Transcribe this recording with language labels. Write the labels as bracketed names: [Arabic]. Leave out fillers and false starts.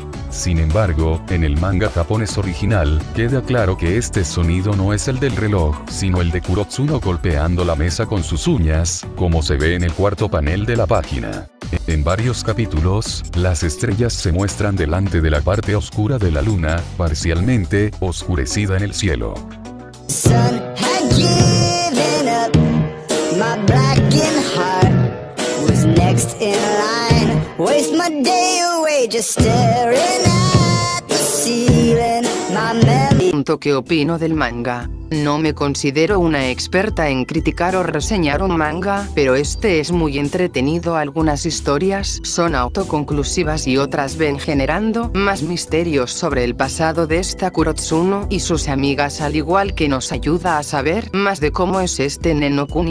[Spanish] Sin embargo, en el manga japonés original, queda claro que este sonido no es el del reloj, sino el de Kurotsuno golpeando la mesa con sus uñas, como se ve en el cuarto panel de la página. En varios capítulos, las estrellas se muestran delante de la parte oscura de la luna, parcialmente oscurecida en el cielo. [English] Sun had given up. My blackened heart was next in line. Waste my day away just staring at the ceiling. My memory. [Spanish] Punto que opino del manga. No me considero una experta en criticar o reseñar un manga, pero este es muy entretenido. Algunas historias son autoconclusivas y otras ven generando más misterios sobre el pasado de esta Kurotsuno y sus amigas, al igual que nos ayuda a saber más de cómo es este Neno Kun.